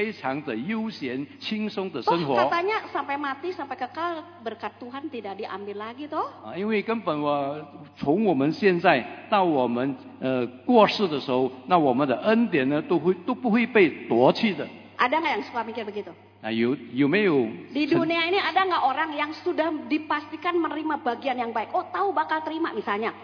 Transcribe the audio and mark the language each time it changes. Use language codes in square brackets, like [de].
[zh] 然后因为感谢主了，所以我就可以非常的悠闲、轻松的生活。 [id] Katanya sampai mati sampai kekal berkat Tuhan tidak diambil lagi toh. [zh] 因为根本我从我们现在到我们过世的时候，那我们的恩典呢都不会被夺去的。 [id] Ada nggak yang suka mikir begitu? [zh] Nah, 有没有？ [id] Di dunia ini ada nggak orang yang sudah dipastikan menerima bagian yang baik? Oh tahu bakal terima misalnya.